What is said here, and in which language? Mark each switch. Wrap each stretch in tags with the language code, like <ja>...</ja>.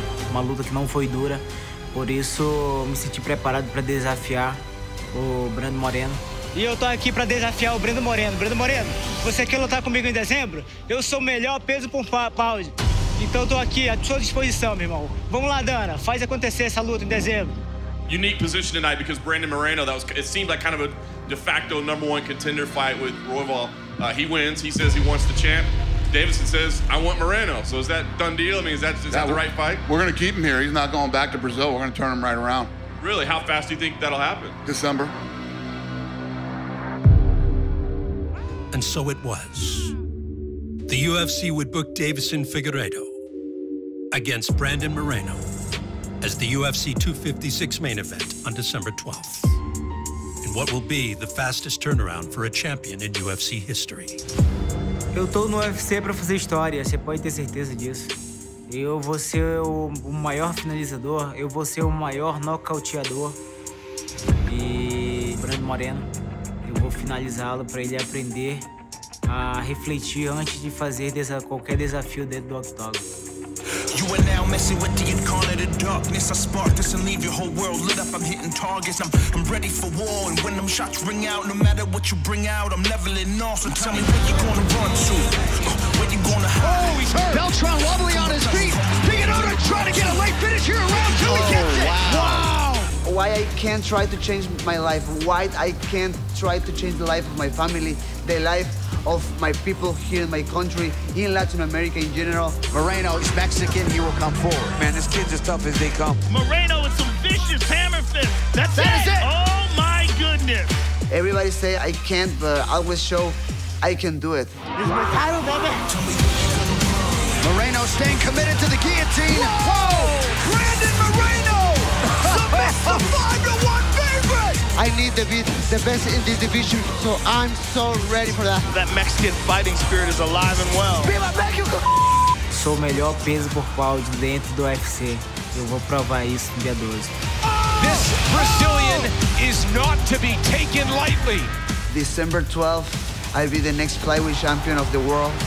<pt>Uma luta que não foi dura. Por isso, me senti preparado para desafiar o Brandon Moreno. E eu tô aqui pra desafiar o Brandon Moreno. Brandon Moreno, você quer lutar comigo em dezembro? Eu sou o melhor peso por pound. Então eu tô aqui à sua disposição, meu irmão. Vamos lá, Dana. Faz acontecer essa luta em dezembro.</pt> <en>Unique position tonight because Brandon Moreno, that was, it seemed like kind of a de facto number one contender fight with Royval. He wins. He says he wants the champ. Davison says, I want Moreno. So is that done deal? I mean, is that the right fight? We're going to keep him here. He's not going back to Brazil. We're going to turn him right around. Really? How fast do you think that'll happen? December. And so it was. The UFC would book Davison Figueiredo against Brandon Moreno as the UFC 256 main event on December 12th. In what will be the fastest turnaround for a champion in UFC history.</en> <pt>Eu tô no UFC pra fazer história, você pode ter certeza disso. Eu vou ser o maior finalizador, eu vou ser o maior nocauteador. E Brandon Moreno, eu vou finalizá-lo pra ele aprender a refletir antes de fazer qualquer desafio dentro do octógono.</pt> <en>You are now messing with the incarnate of darkness. I spark this and leave your whole world lit up. I'm hitting targets, I'm ready for war. And when them shots ring out, no matter what you bring out, I'm leveling off. So tell me where you gonna run to, where you gonna hide. Oh, he's hurt. Beltran wobbly on his feet. Figueiredo trying to get a late finish here around two. Oh, he gets it. Wow. Why I can't try to change my life? Why I can't try to change the life of my family, the life of my people here in my country, in Latin America in general. Moreno is Mexican, he will come forward. Man, this kid's as tough as they come. Moreno with some vicious hammer fist. That's it! Oh my goodness! Everybody say I can't, but I always show I can do it. It's my title, baby! Moreno staying committed to the guillotine. Whoa! Brandon Moreno! Submits the 5-1 favorite! I need to be the best in this division, so I'm so ready for that. That Mexican fighting spirit is alive and well.</en> <es>Viva México!</es> <pt>Sou o melhor peso por pau de dentro do UFC. Eu vou provar isso no dia 12.</pt> <en>This Brazilian is not to be taken lightly. December 12th, I'll be the next flyweight champion of the world.</en>